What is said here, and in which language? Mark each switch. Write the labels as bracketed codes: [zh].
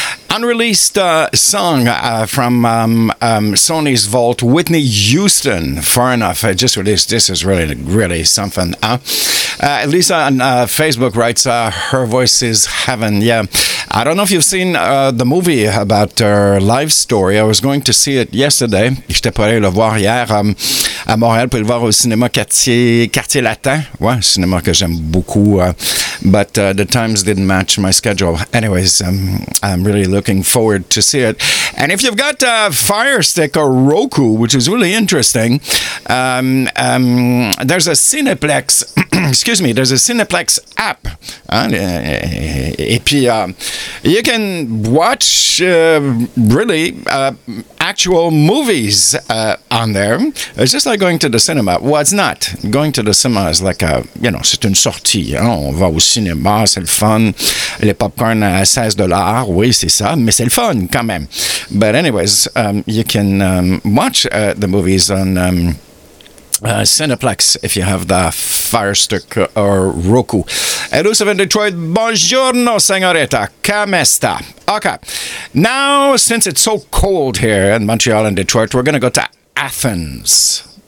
[en] Unreleased song from Sony's vault, Whitney Houston, Far Enough. I just released. This is really, really something. Lisa on Facebook writes, her voice is heaven. Yeah. I don't know if you've seen the movie about her life story. I was going to see it yesterday. [fr] J'étais pour aller le voir hier à Montréal. Vous pouvez le voir au cinéma Quartier Latin. Ouais, cinéma que j'aime beaucoup. [en] But the times didn't match my schedule. Anyways, I'm really looking forward to see it. And if you've got a Fire Stick or Roku, which is really interesting, there's a Cineplex. Excuse me. There's a Cineplex app. [fr] Et puis, [en] you can watch really actual movies on there. It's just like going to the cinema. Well, it's not. Going to the cinema is like a, you know, [fr] c'est une sortie. Hein? On va au cinéma, c'est le fun. Les popcorn à $16, oui, c'est ça, mais c'est le fun quand même. [en] But anyways, you can watch the movies on Cineplex, if you have the Fire Stick or Roku. Elusive in Detroit, buongiorno, senorita. Come esta? Okay. Now, since it's so cold here in Montreal and Detroit, we're going to go to Athens.